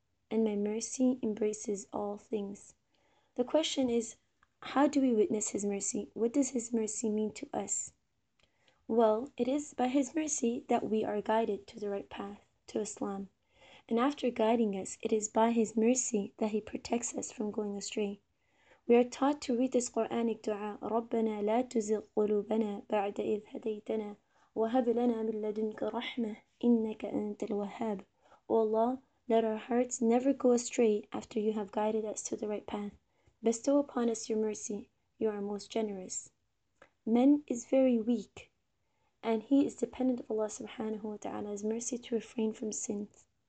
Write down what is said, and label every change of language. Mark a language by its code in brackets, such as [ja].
[en] And my mercy embraces all things. The question is, how do we witness His mercy? What does His mercy mean to us? Well, it is by His mercy that we are guided to the right path, to Islam. And after guiding us, it is by His mercy that He protects us from going astray. We are taught to read this Quranic dua, [ar] رَبَّنَا لَا تُزِغْ قُلُوبَنَا بَعْدَ إِذْ هَدَيْتَنَا وَهَبْ لَنَا مِنْ لَدُنْكَ رَحْمَةً إِنَّكَ أَنْتَ الْوَهَّابُ. [en] O Allah, let our hearts never go astray after you have guided us to the right path. Bestow upon us your mercy. You are most generous. Man is very weak, and he is dependent of Allah subhanahu wa ta'ala's mercy to refrain from sins.